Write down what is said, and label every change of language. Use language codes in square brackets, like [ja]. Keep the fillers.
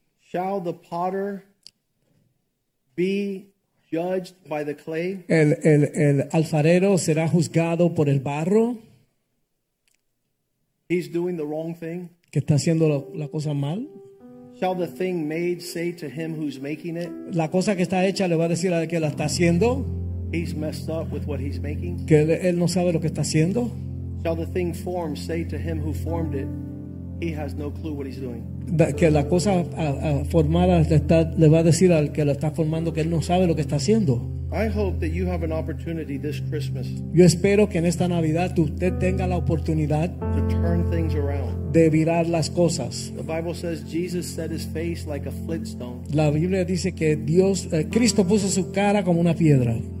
[en] Shall the potter be judged by the clay. [es] El, and and alfarero será juzgado por el barro. [en] He's doing the wrong thing. [es] Que está haciendo la, la cosa mal. [en] Shall the thing made say to him who's making it? [es] La cosa que está hecha le va a decir a él que la está haciendo. [en] He's messed up with what he's making. [es] Que él, él no sabe lo que está haciendo. [en] Shall the thing formed say to him who formed it? He has no clue what he's doing [es] que la cosa formada le, va a decir al que la está formando que él no sabe lo que está haciendo. [en] I hope that you have an this [es] Yo espero que en esta Navidad usted tenga la oportunidad [en] to turn [es] de virar las cosas. [en] The Bible says Jesus set his face like a [es] la Biblia dice que Dios, eh, Cristo puso su cara como una piedra.